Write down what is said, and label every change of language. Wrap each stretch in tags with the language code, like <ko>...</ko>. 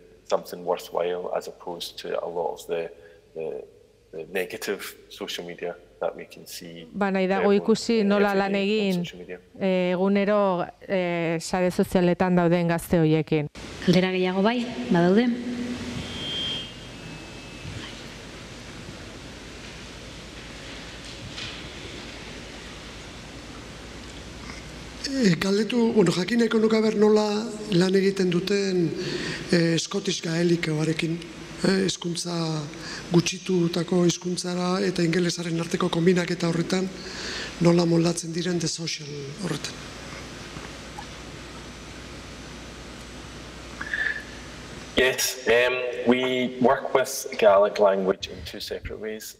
<en>something worthwhile as opposed to a lot of the negative social media that we can see.</en> <eu>Ba, nahi dago ikusi nola lan egin egunero sare sozialetan dauden gazte hoiekin. Galdera gehiago bai, badaude? Galdetu, bueno, jakin nahiko nuke ber nola lan egiten duten Scottish Gaelikoarekin, hizkuntza gutxitutako hizkuntzara eta ingelesaren arteko kombinak eta horretan nola moldatzen diren The Social horretan.</eu> <en>Yes, we work with Gaelic language in two separate ways.</en>